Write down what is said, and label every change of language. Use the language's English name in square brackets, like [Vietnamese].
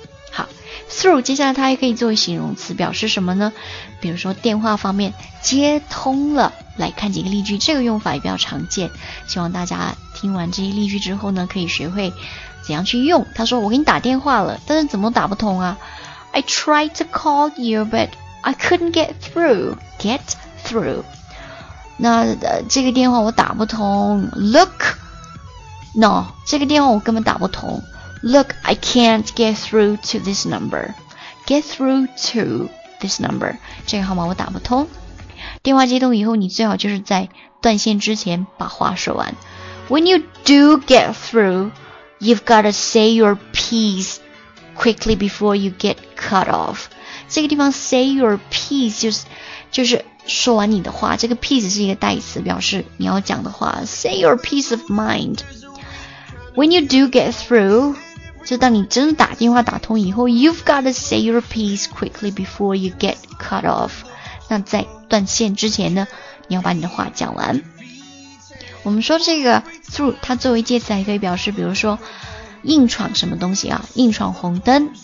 [Chinese] 好， through 接下来它还可以作为形容词表示什么呢？比如说电话方面接通了。来看几个例句，这个用法也比较常见，希望大家听完这些例句之后呢可以学会怎样去用。他说我给你打电话了，但是怎么打不通啊。 [English] I tried to call you but I couldn't get through. Get through [Chinese] 那、这个电话我打不通。 [English] Look No [Chinese] 这个电话我根本打不通。 [English] Look I can't get through to this number. Get through to this number [Chinese] 这个号码我打不通。电话接通以后，你最好就是在断线之前把话说完。 [English] When you do get through, you've got to say your piece quickly before you get cut off. [Chinese] 这个地方 [English] say your piece [Chinese] 就是说完你的话，这个 piece 是一个代词，表示你要讲的话。 [English] Say your piece of mind. When you do get through, [Chinese] 就当你真的打电话打通以后， [English] you've got to say your piece quickly before you get cut off. [Chinese] 那在断线之前呢，你要把你的话讲完。我们说这个 through 它作为介词还可以表示比如说硬闯什么东西啊，硬闯红灯。